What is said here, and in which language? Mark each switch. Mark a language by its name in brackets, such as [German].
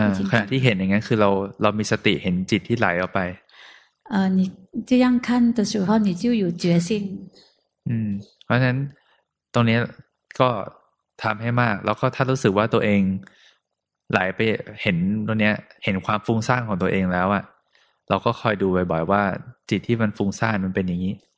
[Thai] ขณะที่เห็นอย่างนั้นคือเรามีสติเห็นจิตที่ไหลออกไป [Chinese] 你这样看的时候你就有觉性 [Thai] เพราะฉะนั้นตรงนี้ก็ทำให้มากแล้วก็ถ้ารู้สึกว่าตัวเองไหลไปเห็นตรงนี้เห็นความฟุ้งซ่านของตัวเองแล้วอะเราก็คอยดูบ่อยๆว่าจิตที่มันฟุ้งซ่านมันเป็นอย่างนี้